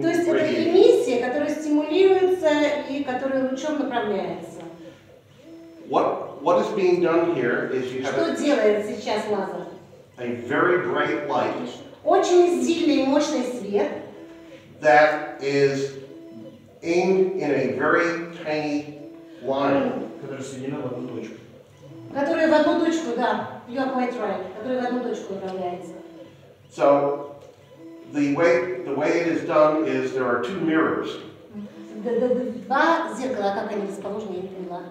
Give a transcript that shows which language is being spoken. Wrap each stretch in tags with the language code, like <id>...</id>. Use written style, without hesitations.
<ru>То есть это эмиссия, которая стимулируется и которая лучом направляется.</ru> <en>What is being done here is you have.</en> <ru>Что делает сейчас лазер?</ru> <en>A very bright light.</en> <ru>Очень сильный и мощный свет.</ru> <en>That is aimed in a very tiny line.</en> <ru>Которая соединена в одну точку. Которая в одну точку, да.</ru> <en>You are quite right.</en> <ru>Которая в одну точку направляется.</ru> <en>So, the way it is done is there are two mirrors.</en> <ru>Два зеркала, как они расположены, я не поняла.</ru>